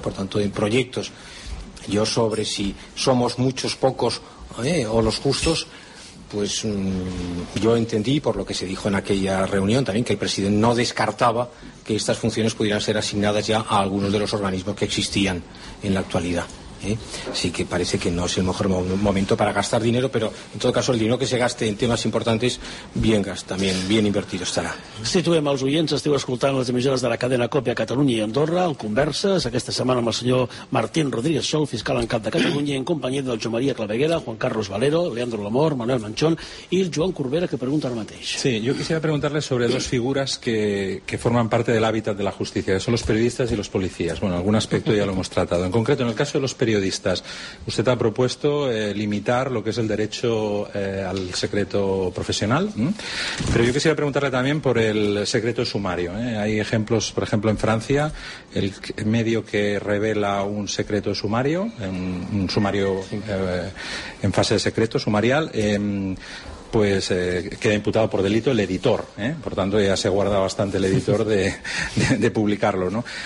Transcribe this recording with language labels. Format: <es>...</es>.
<es>Por tanto, en proyectos. Yo sobre si somos muchos, pocos o los justos, pues yo entendí, por lo que se dijo en aquella reunión también, que el presidente no descartaba que estas funciones pudieran ser asignadas ya a algunos de los organismos que existían en la actualidad. Sí que parece que no es el mejor momento para gastar dinero, pero en todo caso el dinero que se gaste en temas importantes bien gasta, también bien invertido estará.</es> <ca>Situem els oients, esteu escoltant les emissores de la cadena Còpia Catalunya i Andorra, el Converses, aquesta setmana amb el senyor Martín Rodríguez Sol, fiscal en cap de Catalunya, en companyia del Joan Maria Claveguera, Juan Carlos Valero, Leandro Lamor, Manuel Manchón i el Joan Corbera, que pregunta ara mateix. Sí, jo</ca> <es>quisiera preguntarle</es> <ca>sobre dos figures que formen parte de l'hàbitat de la justícia, que són els periodistes i els policies. Bueno, algun aspecte ja</ca> <es>l'hemos tratado. En concreto, en el caso de los periodistas. Usted ha propuesto limitar lo que es el derecho al secreto profesional, pero yo quisiera preguntarle también por el secreto sumario. Hay ejemplos, por ejemplo, en Francia, el medio que revela un secreto sumario, un sumario en fase de secreto sumarial, pues queda imputado por delito el editor, por tanto ya se guarda bastante el editor de publicarlo, ¿no?</es>